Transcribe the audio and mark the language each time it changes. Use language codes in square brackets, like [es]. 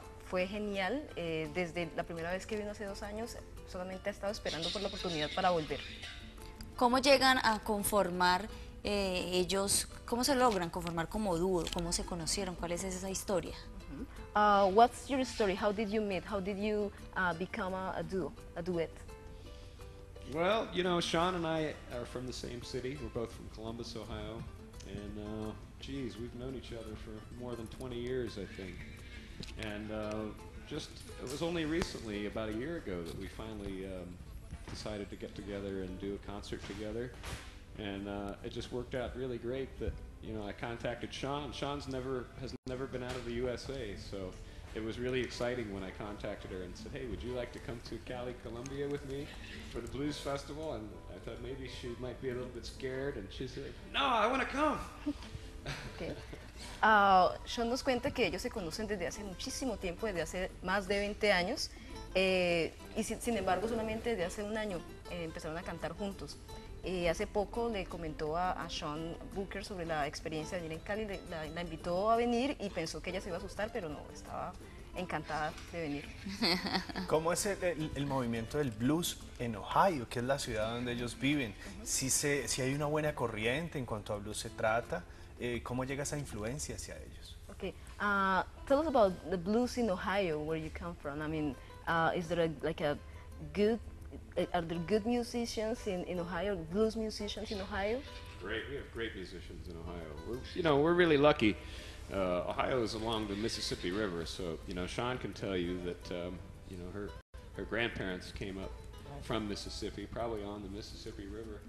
[es] Fue genial, desde la primera vez que vino hace 2 años, solamente ha estado esperando por la oportunidad para volver. ¿Cómo llegan a conformar ellos, cómo se logran conformar como dúo, cómo se conocieron, cuál es esa historia? [en] What's your story? How did you meet? How did you become a duo, a duet? Well, you know, Sean and I are from the same city. We're both from Columbus, Ohio. And geez, we've known each other for more than 20 years, I think. And just, it was only recently, about a year ago, that we finally decided to get together and do a concert together. And it just worked out really great that, you know, I contacted Sean. Sean's has never been out of the USA, so it was really exciting when I contacted her and said, hey, would you like to come to Cali, Colombia with me for the Blues Festival? And I thought maybe she might be a little bit scared, and she said, no, I want to come! Okay. [es] Sean nos cuenta que ellos se conocen desde hace muchísimo tiempo, desde hace más de 20 años, y sin embargo solamente desde hace un año empezaron a cantar juntos. Hace poco le comentó a Sean Booker sobre la experiencia de venir en Cali, la invitó a venir y pensó que ella se iba a asustar, pero no, estaba encantada de venir. ¿Cómo es el movimiento del blues en Ohio, que es la ciudad donde ellos viven? Uh-huh. Si hay una buena corriente en cuanto a blues se trata, ¿cómo llega esa influencia hacia ellos? [en] Okay, tell us about the blues in Ohio, where you come from. I mean, is there are there good musicians in Ohio, blues musicians in Ohio? Great, we have great musicians in Ohio. We're really lucky. Ohio is along the Mississippi River, so, you know, Sean can tell you that, you know, her grandparents came up from Mississippi, probably on the Mississippi River.